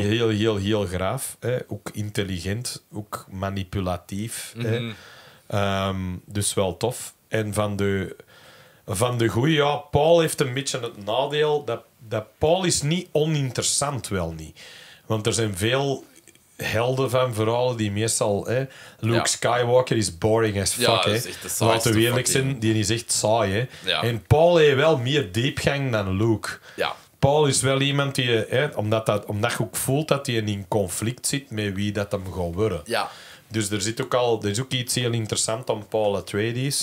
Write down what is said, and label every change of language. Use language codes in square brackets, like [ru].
[nl] Heel, heel, heel graaf. Hè? Ook intelligent, ook manipulatief. Mm-hmm. Hè? Dus wel tof. En van de goeie, ja, Paul heeft een beetje het nadeel dat Paul is niet oninteressant, wel niet. Want er zijn veel helden van verhalen die meestal... [en] Hè, Luke Skywalker is boring as fuck. [nl] Ja, dat is echt de saaiste. Laten we eerlijk zijn, die is echt saai. Hè. Ja. En Paul heeft wel meer diepgang dan Luke. Ja. Paul is wel iemand die... Hè, omdat je ook voelt dat hij in conflict zit met wie dat hem gaat worden. Ja. Dus er zit ook al... Er is ook iets heel interessant aan Paul Atreides.